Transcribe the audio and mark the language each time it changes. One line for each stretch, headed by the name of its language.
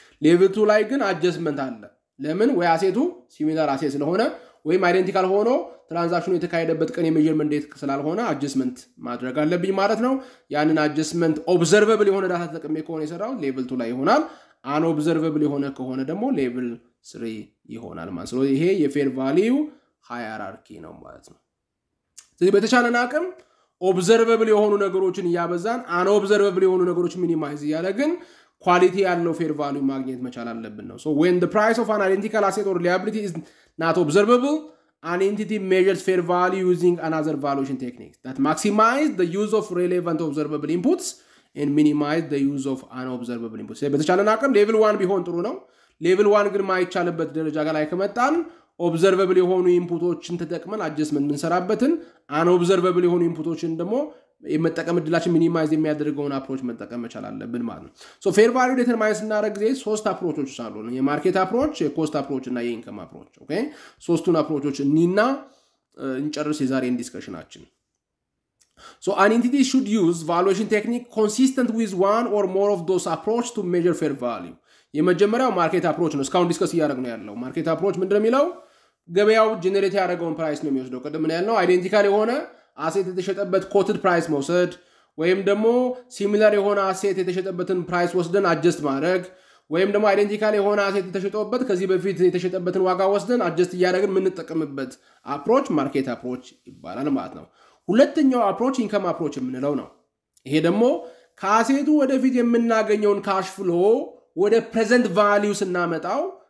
Amharic: level 2 ላይ ግን adjustment አለ, ለምን? ወይ assetu similar asset ስለሆነ ወይም identical ሆኖ transactionው የተካሄደበት ቀን የmeasurement date ስላልሆነ adjustment ማድረግ አለብኝ ማለት ነው. ያንን adjustment observable የሆነ data ተጠቅሜ ከሆነ የሰራው level 2 ላይ ይሆናል, አን ኦብዘርቨብል የሆነ ከሆነ ደግሞ ሌቭል 3 ይሆናል ማለት ነው. ይሄ የፌር ቫልዩ ሃይራርኪ ነው ማለት ነው. ስለዚህ በተቻለን አቅም ኦብዘርቨብል የሆኑ ነገሮችን ያበዛን, አን ኦብዘርቨብል የሆኑ ነገሮችን ሚኒማይዝ ያደረግን ኳሊቲ ያለው ፌር ቫልዩ ማግኘት መቻል አለብን ነው.
English: ሶ when the price of an identical asset or liability is not observable, an entity measures fair value using another valuation technique that maximizes the use of relevant observable inputs and minimize the use of unobservable inputs.
Amharic: በተቻለና አቅም level 1 ቢሆን ጥሩ ነው. level 1 ግን ማይቻለበት ደረጃ ጋር አይከመጣን observable የሆኑ inputsን ተጠቅመን adjustment መንሰራበትን, unobservable የሆኑ inputsን ደግሞ የመጠቀም እድላችን ሚኒማይዝ የሚያደርገውን approach መጠቀም መቻል አለብን ማለት ነው. so fair value determine ስናደርግ ጊዜ 3 approachዎች አሉ ነው, የmarket approach, የcost approach እና የincome approach. okay, 3ቱን approachዎች እኒና እንጨርስ የዛሬን ዲስከሽናችን።
English: So an entity should use valuation technique consistent with one or more of those approach to measure fair value.
Amharic: የመጀመሪያው ማርኬት አፕሮች ነው እስካሁን ዲስከስ ያደረግነው ያለው ማርኬት አፕሮች ምን እንደሚለው ገበያው ጀነሬት ያደረገውን ፕራይስ ነው የሚወስደው ቀደም ነው ያለው አይደንቲካል የሆነ አሴት የተሸጠበት ኮትድ ፕራይስ መውሰድ ወይም ደግሞ ሲሚላር የሆነ አሴት የተሸጠበትን ፕራይስ ወስደን አጀስት ማድረግ ወይም ደግሞ አይደንቲካል የሆነ አሴት የተሸጠበት ከዚህ በፊት የተሸጠበትን ዋጋ ወስደን አጀስት ያደረግን ምን ተጠቅመበት አፕሮች ማርኬት አፕሮች ይባላል ማለት ነው ሁለተኛው አፕሮች ኢንካም አፕሮች የምንለው ነው ይሄ ደግሞ ካሴቱ ወደፊት የምናገኘውን ካሽ ፍሎ ወደ ፕሬዘንት ቫልዩ ስናመጣው